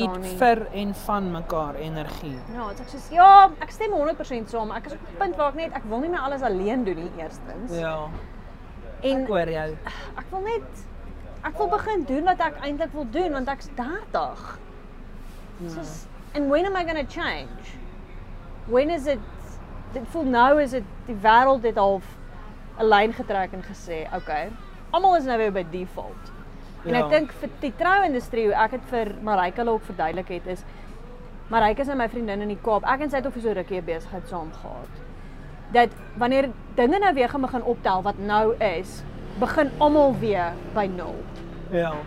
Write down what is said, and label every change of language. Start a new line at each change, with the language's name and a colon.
Afrikaans: Ja, jy feed vir en van mekaar energie. Ja, het ek soos, ja, ek stem 100% saam. Ek is op die punt waar ek net, ek wil nie meer alles alleen doen nie, eerstens. Ja, en, ek hoor jou. Ek wil net, ek wil begin doen wat ek eintlik wil doen, want ek is 30.
English: En when am I gonna change? When is it,
Afrikaans: dit voel nou is het, die wereld het al een lijn getrek en gesê, okay, allemaal is nou weer by default. En ek dink vir die trouindustrie, ek het vir Marijke ook verduidelik het, is Marijke is nou my vriendin in die Kaap, ek en sy het ook vir so rukkie besigheid saam gehad. Dat wanneer dinge nou weer gaan begin optel wat nou is, begin allemaal weer by nul. Ja.